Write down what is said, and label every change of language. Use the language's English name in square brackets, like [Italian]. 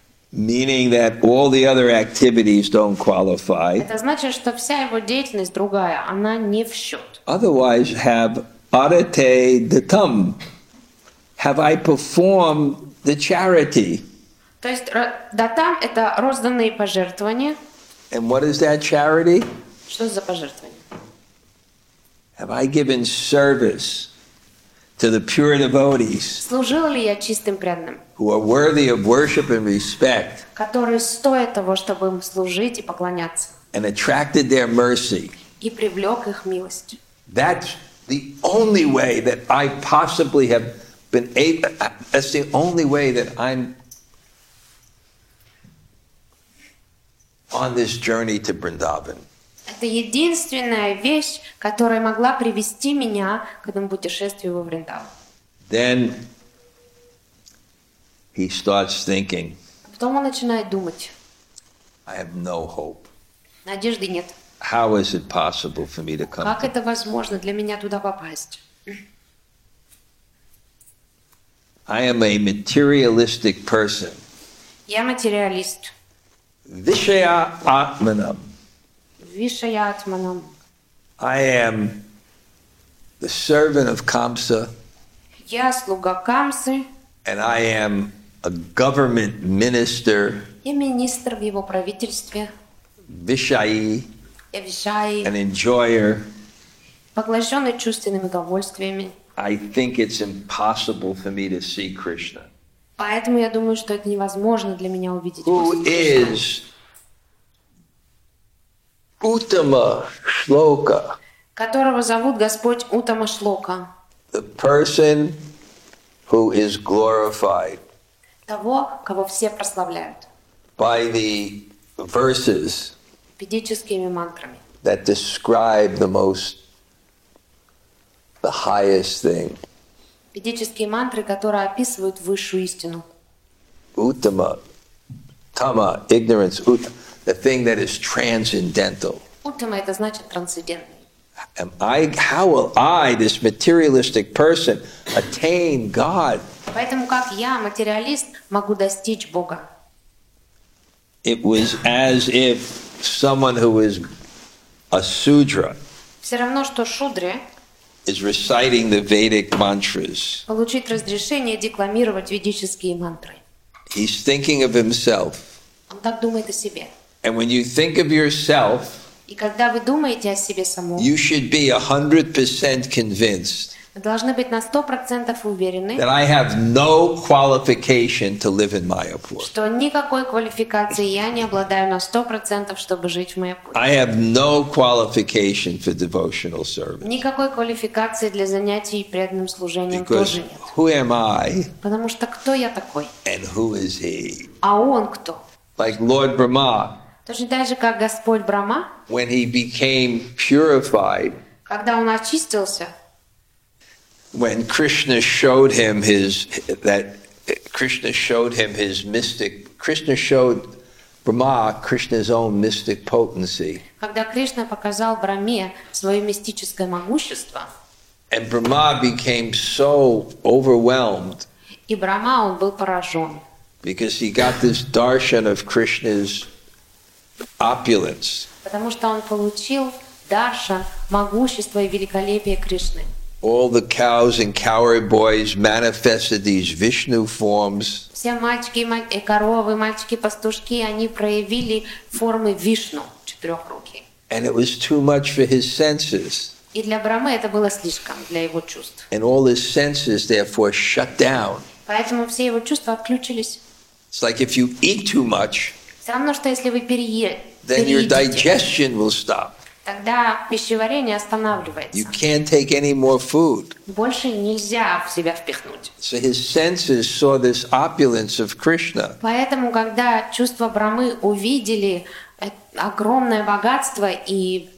[English] Meaning that all the other activities don't qualify. [Russian] Это значит, что вся его деятельность другая, она не в счет. [English] Otherwise have arate datam. Have I performed the charity? [Russian] То есть датам – это розданные пожертвования. [English] And what is that charity? [Russian] Что за пожертвование? [English] Have I given service to the pure devotees? [Russian] Служил ли я чистым преданным? [English] Who are worthy of worship and respect? [Russian] Которые стоят того, чтобы им служить и поклоняться. [English] And attracted their mercy. [Russian] И привлек их милость. [English] That's the only way that I possibly have been able, that's the only way that I'm on this journey to Vrindavan. [Russian] Это единственная вещь, которая могла привести меня к этому путешествию во Вриндаван. [English] Then he starts thinking. [Russian] Потом он начинает думать. [English] I have no hope. [Russian] Надежды нет. [English] How is it possible for me to come? [Russian] Как это возможно для меня туда попасть? [English] I am a materialistic person. [Russian] Я материалист. [Sanskrit] Vishaya Atmanam. Vishaya Atmanam. [English] I am the servant of Kamsa. [Russian] Я слуга Камсы. [English] And I am a government minister. [Russian] Я министр в его правительстве. [Sanskrit] Vishayi. [Russian] Я Vishayi. [English] An enjoyer. [Russian] Поглощенный чувственными удовольствиями. [English] I think it's impossible for me to see Krishna. [Russian] Поэтому я думаю, что это невозможно для меня увидеть Кришну. [English] Who is Uttama Shloka? [Russian] Которого зовут Господь Uttama Shloka. [English] The person who is glorified. [Russian] Того, кого все прославляют. [English] By the verses. [Russian] Ведическими мантрами. [English] That describe the most. The highest thing. [Russian] Ведические мантры, которые описывают высшую истину. [English] Uttama, tama, ignorance, the thing that is transcendental. [Russian] Uttama – это значит трансцендентный. [English] Am I, how will I, this materialistic person, attain God? [Russian] Поэтому как я, материалист, могу достичь Бога? [English] It was as if someone who is a sudra. [Russian] Все равно, что шудре. [English] Is reciting the Vedic mantras. [Russian] Получить разрешение декламировать ведические мантры. [English] He's thinking of himself. [Russian] Он так думает о себе. [English] And when you think of yourself, [Russian] и когда вы думаете о себе самом, [English] you should be 100% convinced. [Russian] Вы должны быть на 100% уверены, [English] that I have no qualification to live in Mayapur. [Russian] Что никакой квалификации я не обладаю на 100%, чтобы жить в Майяпуре. [English] I have no qualification for devotional service. [Russian] Никакой квалификации для занятий преданным служением тоже нет. [English] Because who am I? [Russian] Потому что кто я такой? [English] And who is he? [Russian] А он кто? [English] Like Lord Brahma. [Russian] Точно так же, как Господь Брахма. [English] When he became purified. [Russian] Когда он очистился, [English] when Krishna showed him his that Krishna showed him his mystic Krishna showed Brahma Krishna's own mystic potency. [Russian] Когда Кришна показал Брахме своё мистическое могущество, [English] and Brahma became so overwhelmed. [Russian] И Брахма, он был поражён. [English] Because he got this darshan of Krishna's opulence. [Russian] Потому что он получил даршан могущества и великолепия Кришны. [English] All the cows and cowherd boys manifested these Vishnu forms. [Russian] Все мальчики и коровы, мальчики пастушки, они проявили формы Вишну, четырёхрукие. [English] And it was too much for his senses. [Russian] И для Брахмы это было слишком для его чувств. [English] And all his senses therefore shut down. [Russian] Поэтому все его чувства отключились. [English] It's like if you eat too much, [Russian] все равно, что если вы переедете, [English] then your digestion will stop. [Russian] Тогда пищеварение останавливается. [English] You can't take any more food. [Russian] Больше нельзя в себя впихнуть. [English] So his senses saw this opulence of Krishna. [Russian] Поэтому, когда чувства Брахмы увидели огромное богатство и